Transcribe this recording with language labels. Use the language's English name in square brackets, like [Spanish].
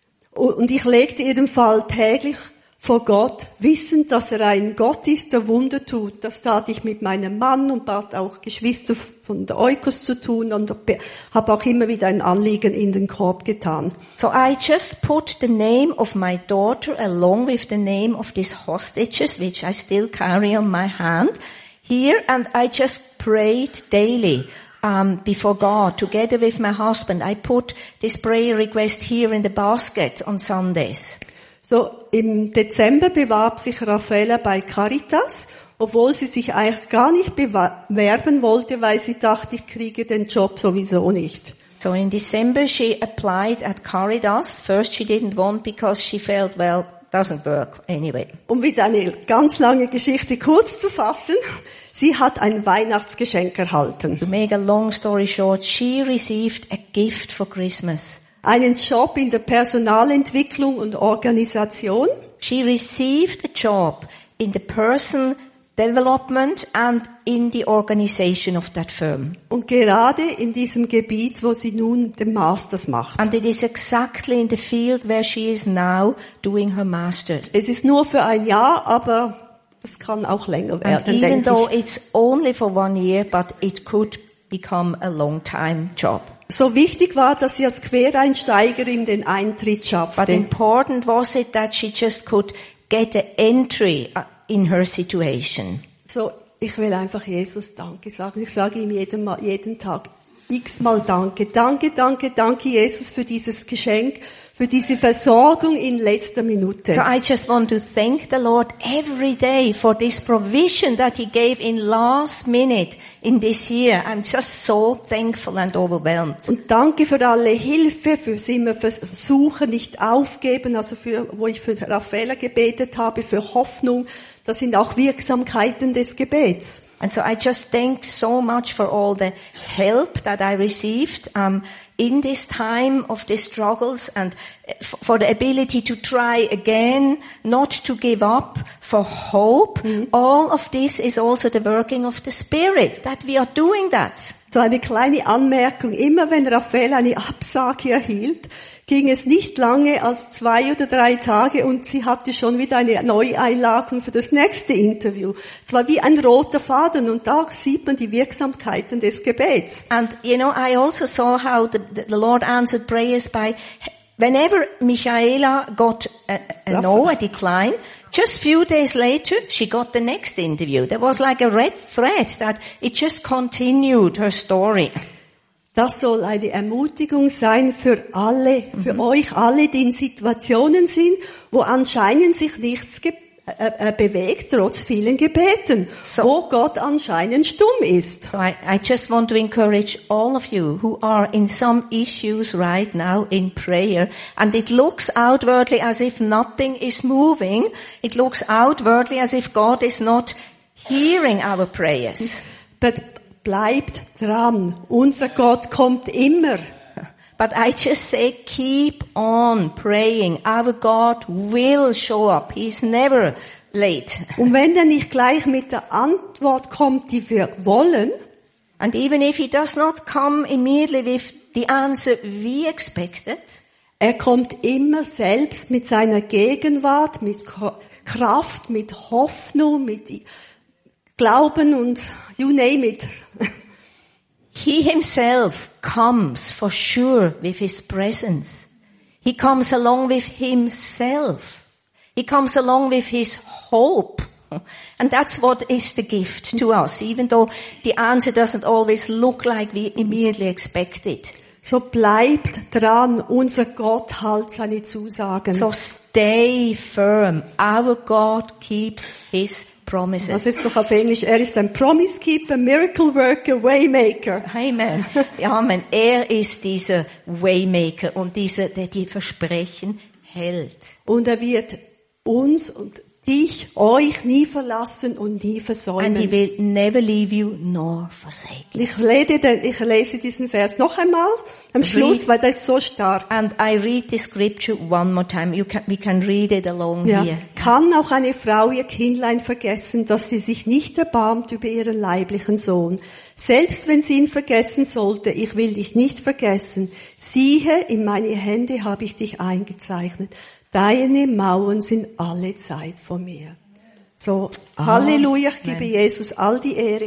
[German] Und ich legte ihren Fall täglich vor Gott, wissend, dass er ein Gott ist, der Wunder tut. Das tat ich mit meinem Mann und bat auch Geschwister von der Oikos zu tun und habe auch immer wieder ein Anliegen in den Korb getan. [English] So I just put the name of my daughter along with the name of these hostages, which I still carry on my hand, here and I just prayed daily. Before God, together with my husband, I put this prayer request here in the basket on Sundays. [German] So, im Dezember bewarb sich Raffaella bei Caritas, obwohl sie sich eigentlich gar nicht bewerben wollte, weil sie dachte, ich kriege den Job sowieso nicht. [English] So in December she applied at Caritas. First she didn't want because she felt, well, doesn't work anyway. [German] Um wieder eine ganz lange Geschichte kurz zu fassen, sie hat ein Weihnachtsgeschenk erhalten. [English] To make a long story short, she received a gift for Christmas. [German] Einen Job in der Personalentwicklung und Organisation. [English] She received a job in the person development and in the organization of that firm. [German] Und gerade in diesem Gebiet, wo sie nun den Masters macht. [English] And it is exactly in the field where she is now doing her Masters. [German] Es ist nur für ein Jahr, aber das kann auch länger werden, denke ich. [English] Even though it's only for one year, but it could become a long time job. [German] So wichtig war, dass sie als Quereinsteigerin den Eintritt schaffte. [English] But important was it that she just could get an entry in her situation. [German] So, ich will einfach Jesus Danke sagen. Ich sage ihm jeden Tag x-mal Danke. Danke, danke, danke Jesus für dieses Geschenk, für diese Versorgung in letzter Minute. [English] So I just want to thank the Lord every day for this provision that he gave in last minute in this year. I'm just so thankful and overwhelmed. [German] Und danke für alle Hilfe, fürs immer versuchen, nicht aufgeben, also für, wo ich für Raffaella gebetet habe, für Hoffnung. Das sind auch Wirksamkeiten des Gebets. [English] And so I just thank so much for all the help that I received in this time of the struggles and for the ability to try again, not to give up, for hope. All of this is also the working of the Spirit, that we are doing that. [German] So eine kleine Anmerkung, immer wenn Raphael eine Absage erhielt, ging es nicht lange als 2 oder 3 Tage und sie hatte schon wieder eine Neueinladung für das nächste Interview. Es war wie ein roter Faden und da sieht man die Wirksamkeiten des Gebets. [English] And you know, I also saw how the Lord answered prayers by whenever Michaela got a decline, just few days later, she got the next interview. There was like a red thread that it just continued her story. [German] Das soll eine Ermutigung sein für alle, für euch alle, die in Situationen sind, wo anscheinend sich nichts bewegt, trotz vielen Gebeten, so, wo Gott anscheinend stumm ist. [English] So I just want to encourage all of you who are in some issues right now in prayer, and it looks outwardly as if nothing is moving, it looks outwardly as if God is not hearing our prayers. But [German] bleibt dran. Unser Gott kommt immer. [English] But I just say, keep on praying. Our God will show up. He's never late. [German] Und wenn er nicht gleich mit der Antwort kommt, die wir wollen, [English] And even if he does not come immediately with the answer we expected, [German] er kommt immer selbst mit seiner Gegenwart, mit Kraft, mit Hoffnung, mit Glauben und [English] you name it. He himself comes for sure with his presence. He comes along with himself. He comes along with his hope. And that's what is the gift to us, even though the answer doesn't always look like we immediately expected. [German] So bleibt dran, unser Gott hält seine Zusagen. [English] So stay firm. Our God keeps his promises. [German] Das ist doch auf Englisch. Er ist ein [English] Promise Keeper, Miracle Worker, Waymaker. Amen. Amen. [German] Er ist dieser Waymaker und dieser, der die Versprechen hält. Und er wird uns und dich, euch nie verlassen und nie versäumen. [English] And he will never leave you nor forsake you. [German] Ich lese diesen Vers noch einmal am Schluss, weil das ist so stark. [English] And I read the scripture one more time. We can read it along here. [German] Kann auch eine Frau ihr Kindlein vergessen, dass sie sich nicht erbarmt über ihren leiblichen Sohn? Selbst wenn sie ihn vergessen sollte, ich will dich nicht vergessen. Siehe, in meine Hände habe ich dich eingezeichnet. Deine Mauern sind alle Zeit vor mir. So, Halleluja, ich gebe Jesus all die Ehre.